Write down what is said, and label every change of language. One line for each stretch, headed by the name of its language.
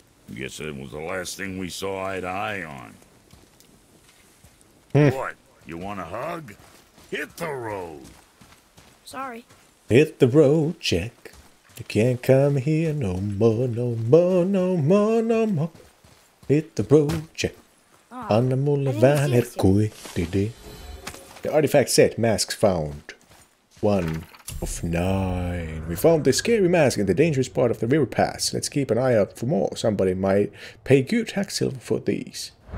English: I guess it was the last thing we saw eye to eye on. What? You want a hug? Hit the road. Sorry. Hit the road, Jack. You can't come here no more, no more, no more, no more. Hit the road, Jack.
Finnish: Anna mulle vähän herkkui.
English: The artifact said, masks found. One of nine. We found this scary mask in the dangerous part of the river pass. Let's keep an eye out for more. Somebody might pay good hack silver for these.